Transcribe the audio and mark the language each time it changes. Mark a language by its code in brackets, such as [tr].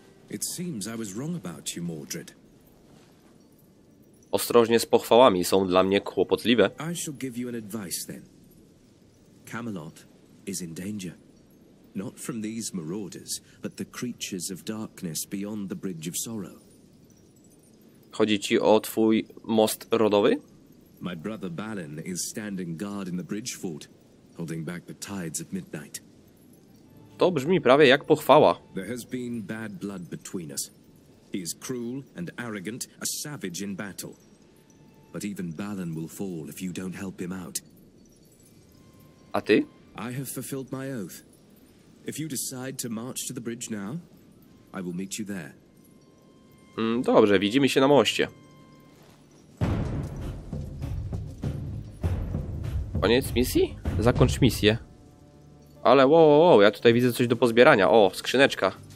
[en] It seems I was wrong about you, Mordred. [pl] Ostrożnie z pochwałami, są dla mnie kłopotliwe. [en] I shall give you an advice then. Camelot is in danger. Not from these marauders, but the creatures of darkness beyond the Bridge of Sorrow. [pl] Chodzi ci o twój most rodowy? [en] My brother Balin is standing guard in the bridge fort, holding back the tides at midnight. [pl] To brzmi prawie jak pochwała. [en] There has been bad blood between us. He is cruel and arrogant, a savage in battle. But even Balin will fall if you don't help him out. [pl] A ty? [en] I have fulfilled my oath. If you decide to march to the bridge now, I will meet you there. [pl] Dobrze, widzimy się na moście. Koniec misji? Zakończ misję. Ale wow, wow, wow, ja tutaj widzę coś do pozbierania. O, skrzyneczka.